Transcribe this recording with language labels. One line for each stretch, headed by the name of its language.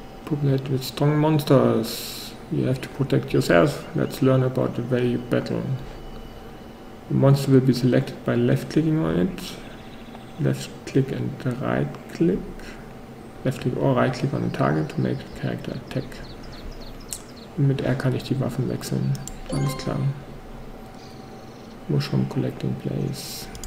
English: With strong monsters, you have to protect yourself. Let's learn about the way you battle. The monster will be selected by left clicking on it. Left click and right click. Left click or right click on the target to make the character attack.
German: Und mit R kann ich die Waffen wechseln. Alles klar.
English: Mushroom collecting place.